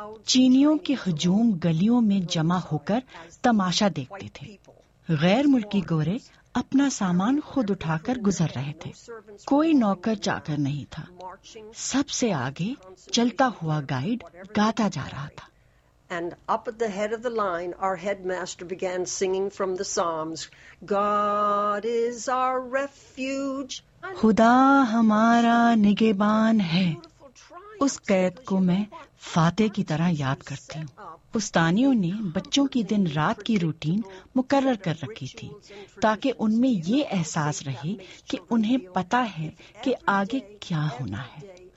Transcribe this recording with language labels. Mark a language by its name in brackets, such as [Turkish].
[Urdu] چینیوں کے ہجوم گلیوں میں جمع ہو کر تماشا دیکھتے تھے. غیر ملکی گورے اپنا سامان خود اٹھا کر گزر رہے تھے. کوئی نوکر چاکر نہیں تھا. سب سے آگے چلتا ہوا گائیڈ گاتا جا رہا تھا. [English] And up at the head of the line, our headmaster began singing from the Psalms, God is our refuge. [Urdu] خدا ہمارا نگہبان ہے. اس قید کو میں فاتح کی طرح یاد کرتی ہوں. پستانیوں نے بچوں کی دن رات کی روٹین مقرر کر رکھی تھی تاکہ ان میں یہ احساس رہے کہ انہیں پتا ہے کہ آگے کیا ہونا ہے.